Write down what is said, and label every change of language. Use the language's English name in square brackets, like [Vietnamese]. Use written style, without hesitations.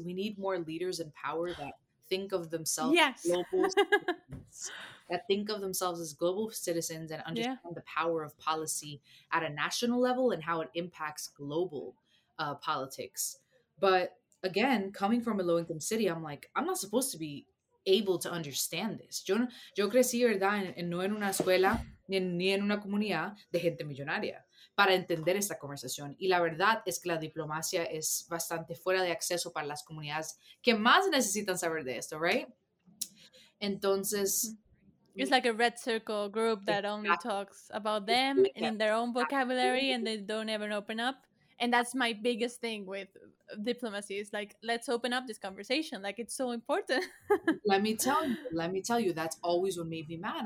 [English] We need more leaders in power that think of themselves global citizens, that think of themselves as global citizens and understand the power of policy at a national level and how it impacts global politics. But again, coming from a low-income city, I'm like, I'm not supposed to be able to understand this. [Spanish] Yo crecí, verdad, no en una escuela ni en una comunidad de gente millonaria para entender esta conversación. Y la verdad es que la diplomacia es bastante fuera de acceso para las comunidades que más necesitan saber de esto, right? Entonces, [English] it's like a red circle group that only talks about them in their own vocabulary and they don't ever open up. And that's my biggest thing with diplomacy. It's like, let's open up this conversation. Like, it's so important. let me tell you, that's always what made me mad.